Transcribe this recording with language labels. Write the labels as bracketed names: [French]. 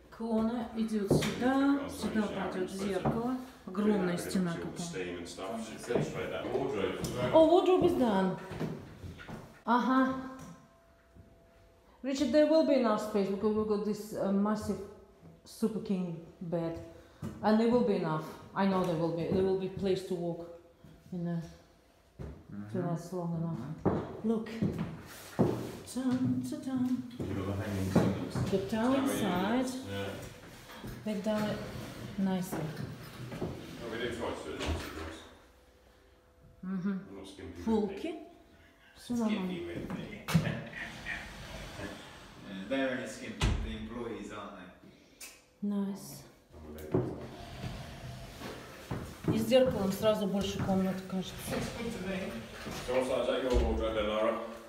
[Russian] Корона идет сюда, сюда пойдет зеркало, огромная стена какая-то. [English] О, wardrobe is done. Ага. Richard, there will be enough space because we've got this massive super king bed, and there will be enough. I know there will be. There will be place to walk in there. If it lasts long enough. Look. The town side. Yeah. They've done it nicely. Oh, we did try to do it. Mm-hmm. Fulky. Skimpy with me. They're only skimpy with the employees, aren't they? Nice. [Russian] Из зеркала сразу больше комнат, кажется. [English] Looks good to me. So what's that? Is that your wardrobe there, Lara?